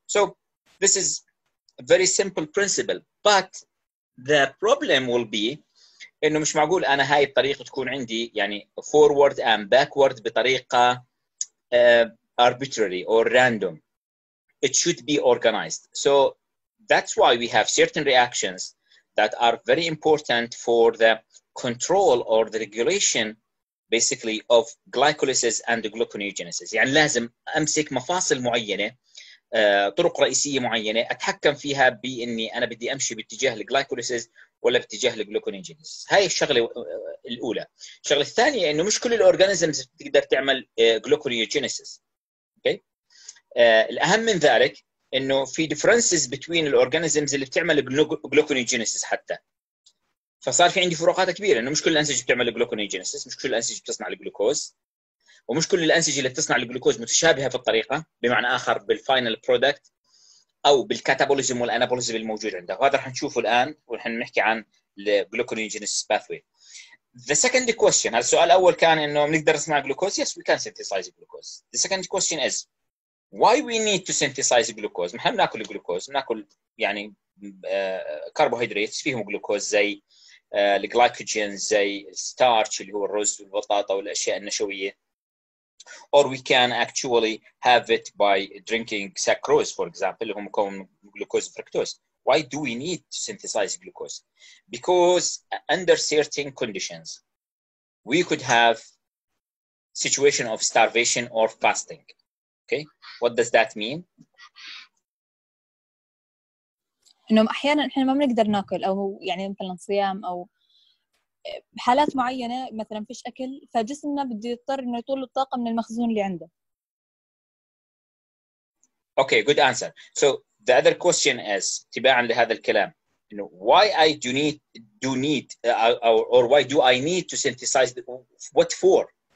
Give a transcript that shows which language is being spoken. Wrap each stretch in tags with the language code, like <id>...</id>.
<en>So this is a very simple principle, but the problem will be</en> <ar>انه مش معقول انا هاي الطريقه تكون عندي يعني</ar> <en>forward and backward بطريقه arbitrary or random. It should be organized. So that's why we have certain reactions that are very important for the control or the regulation basically of glycolysis and the gluconeogenesis.</en> <ar>يعني لازم امسك مفاصل معينه طرق رئيسية معينة أتحكم فيها بإني أنا بدي أمشي باتجاه الجلايكوليسيز ولا باتجاه الجلوكونيجينيسيس. هاي الشغلة الأولى. الشغلة الثانية إنه مش كل الأورغانيزمز بتقدر تعمل جلوكونيجينيسيس.</ar> <en>Okay.</en> <ar>الأهم من ذلك إنه في</ar> <en>differences between</en> <ar>الأورغانيزمز اللي بتعمل جلوكونيجينيسيس حتى. فصار في عندي فروقات كبيرة إنه مش كل الأنسجة بتعمل جلوكونيجينيسيس، مش كل الأنسجة بتصنع الجلوكوز. ومش كل الأنسجة اللي بتصنع الجلوكوز متشابهة في الطريقة بمعنى آخر بالفاينل برودكت أو بالكاتابوليزم والأنابوليزم الموجود عنده. وهذا رح نشوفه الآن ونحن نحكي عن الجلوكونيجينيسيس باثوي.</ar> <en>The second question،</en> <ar>هذا السؤال الأول كان إنه بنقدر نصنع جلوكوز؟</ar> <en>Yes we can synthesize glucose. The second question is why we need to synthesize glucose؟</en> <ar>نحن ناكل الجلوكوز، ناكل يعني كربوهيدرات فيهم جلوكوز زي الجلايكوجين زي ستارتش اللي هو الرز والبطاطا والأشياء النشوية.</ar> <en>Or we can actually have it by drinking sacrose, for example, which is made from glucose and fructose. Why do we need to synthesize glucose? Because under certain conditions, we could have situation of starvation or fasting. Okay, what does that mean?</en> <ar>No, أحيانًا إحنا ما بنقدر ناكل أو يعني مثلًا صيام أو حالات معينة مثلاً فيش أكل فجسمنا بده يضطر إنه يطول الطاقة من المخزون اللي عنده.</ar> <en>Okay, good answer. So the other question is</en> <ar>تباعاً لهذا الكلام,</ar> <en>you know, why I do need or why do I need to synthesize what for?</en>